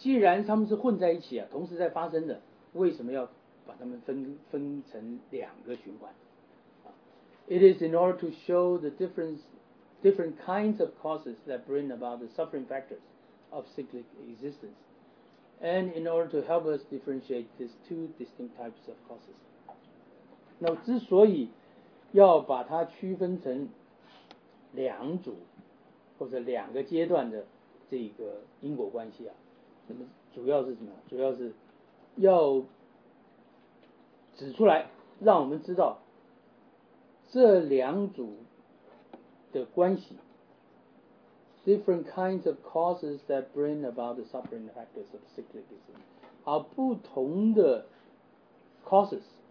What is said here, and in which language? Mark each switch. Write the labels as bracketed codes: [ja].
[zh] 既然他们是混在一起啊，同时在发生的，为什么要？把它们分成两个循环。 [en] It is in order to show the different kinds of causes that bring about the suffering factors of cyclic existence, and in order to help us differentiate these two distinct types of causes. [zh] 那之所以要把它区分成两组或者两个阶段的这个因果关系啊，那么主要是什么？主要是要指出来，让我们知道这两组的关系 ， [en] different kinds of causes that bring about the suffering factors of cyclicism， [zh] 好，不同的 causes，